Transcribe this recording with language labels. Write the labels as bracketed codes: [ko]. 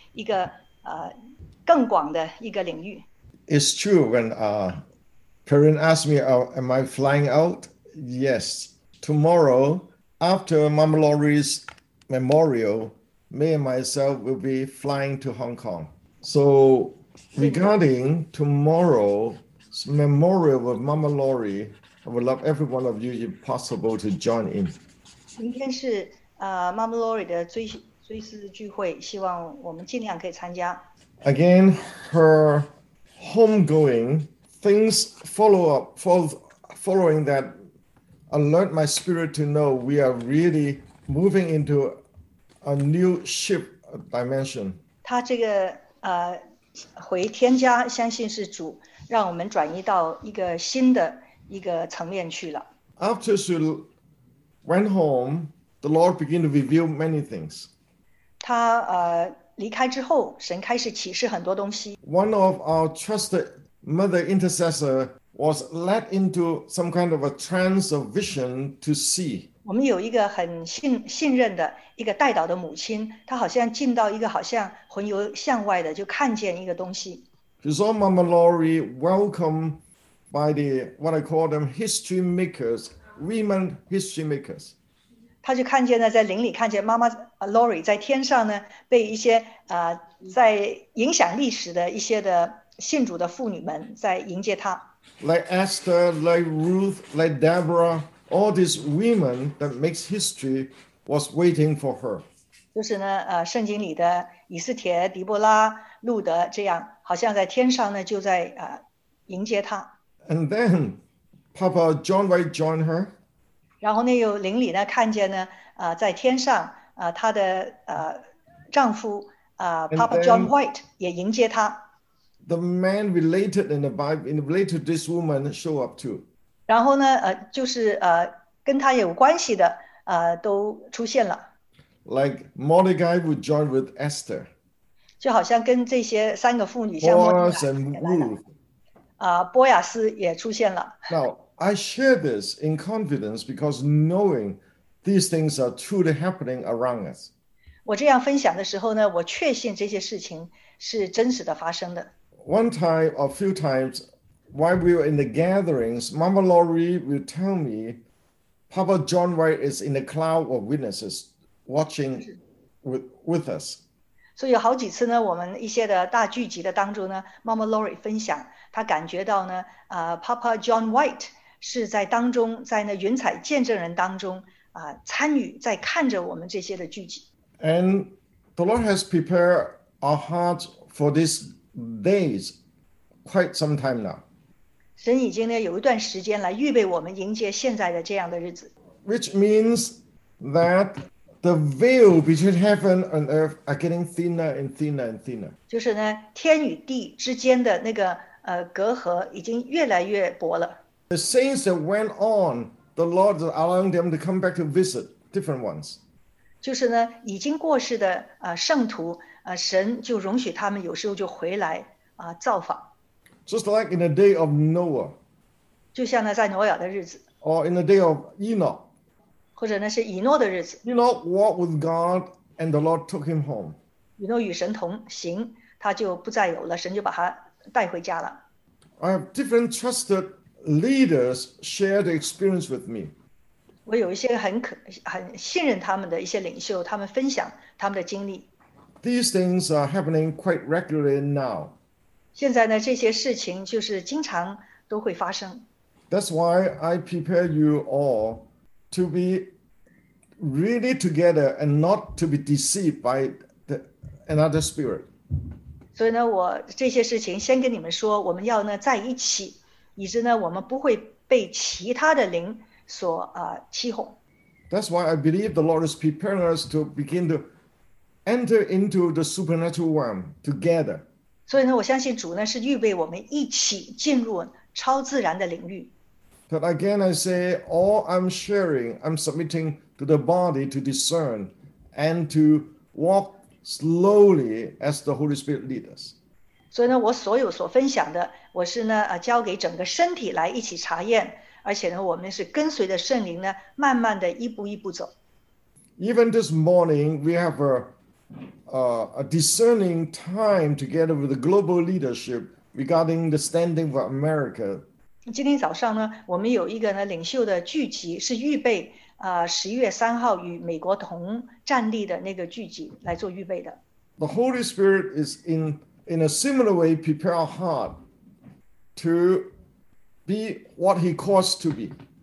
[zh] 真的非常的荣幸跟大家人在一起，相信在未来的日子，主要让我们进到一个更广的一个领域。 [en] It's true when Perrin asked me, am I flying out? Yes. Tomorrow, after Mama Laurie's memorial, me and myself will be flying to Hong Kong. So regarding tomorrow's memorial of Mama Laurie, I would love every one of you, if possible, to join in. [zh] 明天是, Mama Laurie的追思聚会，希望我们尽量可以参加。 [en] Again, her homegoing, things follow up, following that alert my spirit to know we are really moving into a new ship dimension. [zh] 他这个, 回天家, 相信是主让我们转移到一个新的一个层面去了。 [en] After she went home, the Lord began to reveal many things. [zh] 他, 离开之后, 神开始启示很多东西。 [en] One of our trusted mother intercessor was led into some kind of a trance of vision to see. [zh] 我们有一个很信任的一个代祷的母亲, 她好像进到一个好像魂游向外的就看见一个东西。 [en] She saw Mama Laurie welcomed by the, what I call them, history makers, women history makers. [zh] 她就看见了在灵里看见妈妈 Laurie在天上呢, 被一些, 在影响历史的一些的信主的妇女们在迎接她。 [en] Like Esther, like Ruth, like Deborah, all these women that makes history was waiting for her. [zh] 就是呢, 圣经里的以斯帖, 迪波拉, 路德, 这样, 好像在天上呢, 就在, 迎接她。 [en] And then Papa John White joined her. [zh] 然后呢,有灵里呢, 看见呢, 在天上, 他的, 丈夫, Papa John White 也迎接他。 [en] The man related in the Bible, related to this woman, show up too. [zh] 然后呢, 就是, 跟他有关系的, 都出现了。 [en] Like Mordecai would join with Esther. [zh] 就好像跟这些三个妇女像莫迪凯, [en] Boaz and Ruth. [zh] 波亚斯也出现了。 [en] Now, I share this in confidence because knowing these things are truly happening around us. [zh] 我这样分享的时候呢, 我确信这些事情是真实的发生的。 [en] One time, or a few times, while we were in the gatherings, Mama Laurie would tell me, Papa John White is in the cloud of witnesses, watching with us. [zh] 所以有好几次呢, 我们一些的大聚集的当中呢, Mama Laurie分享, 她感觉到呢, Papa John White 是在当中, 在那云彩见证人当中, 参与在看着我们这些的聚集。 [en] And the Lord has prepared our hearts for these days quite some time now. [zh] 神已经呢, 有一段时间来预备我们迎接现在的这样的日子。 [en] Which means that the veil between heaven and earth are getting thinner and thinner and thinner. [zh] 就是呢, 天与地之间的那个, 隔阂已经越来越薄了。 [en] The saints that went on, the Lord is allowing them to come back to visit different ones. [zh] 就是呢, 已经过世的, 圣徒, 神就容许他们有时候就回来, 造访。 [en] Just like in the day of Noah. [zh] 就像呢, 在挪亚的日子。 [en] Or in the day of Enoch. [zh] 或者呢是以诺的日子。 [en] Enoch walked with God and the Lord took him home. [zh] 以诺与神同行, 他就不再有了, 神就把他带回家了。 [en] I have different trusted leaders share the experience with me. [zh] 我有一些很信任他们的一些领袖, 他们分享他们的经历。 [en] These things are happening quite regularly now. [zh] 现在呢，这些事情就是经常都会发生。 [en] That's why I prepare you all to be really together and not to be deceived by another spirit. [zh] 所以呢，我这些事情先跟你们说，我们要呢在一起，以致呢我们不会被其他的灵所欺哄。 [en] That's why I believe the Lord is preparing us to begin to enter into the supernatural realm together. [zh] 所以呢，我相信主呢是预备我们一起进入超自然的领域。 [en] But again, I say, all I'm sharing, I'm submitting to the body to discern and to walk slowly as the Holy Spirit leads us. [zh] 所以呢，我所有所分享的，我是呢交给整个身体来一起查验，而且呢，我们是跟随着圣灵呢，慢慢的一步一步走。 [en] Even this morning, we have a discerning time together with the global leadership regarding the standing of America. [zh] 今天早上呢，我们有一个呢领袖的聚集，是预备11月3号与美国同站立的那个聚集来做预备的。 [en] The Holy Spirit is in a similar way prepare our heart to be what He calls to be.